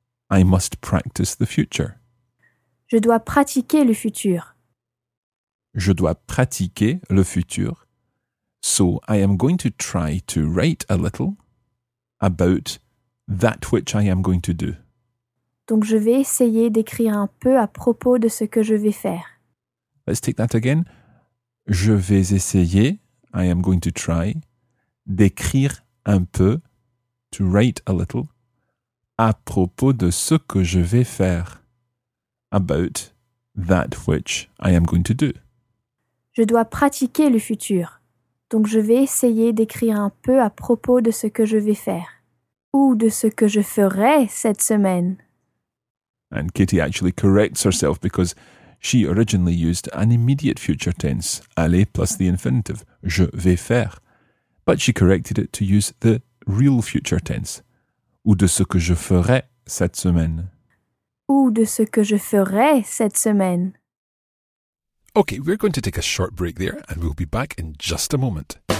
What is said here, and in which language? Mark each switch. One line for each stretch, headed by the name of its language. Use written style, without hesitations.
English: I must practice the future.
French: Je dois pratiquer le futur. Je dois pratiquer le futur.
English: So I am going to try to write a little about that which I am going to do.
French: Donc je vais essayer d'écrire un peu à propos de ce que je vais faire.
English: Let's take that again.
French: Je vais essayer,
English: I am going to try,
French: d'écrire un peu
English: to write a little.
French: À propos de ce que je vais faire.
English: About that which I am going to do.
French: Je dois pratiquer le futur, donc je vais essayer d'écrire un peu à propos de ce que je vais faire. Ou de ce que je ferai cette semaine.
English: And Kitty actually corrects herself because she originally used an immediate future tense, aller plus the infinitive,
French: je vais faire.
English: But she corrected it to use the real future tense,
French: ou de ce que je ferai cette semaine. Ou de ce que je ferai cette semaine.
English: Okay, we're going to take a short break there and we'll be back in just a moment.